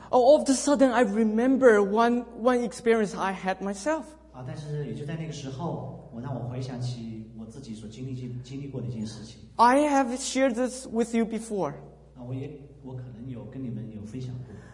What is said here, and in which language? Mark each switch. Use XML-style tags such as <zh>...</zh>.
<en>All of a sudden, I remember one experience I had myself.</en> <zh>但是也就在那个时候，我让我回想起我自己所经历过的一件事情。</zh> <en>I have shared this with you before.</en> <zh>我可能有跟你们有分享过。</zh>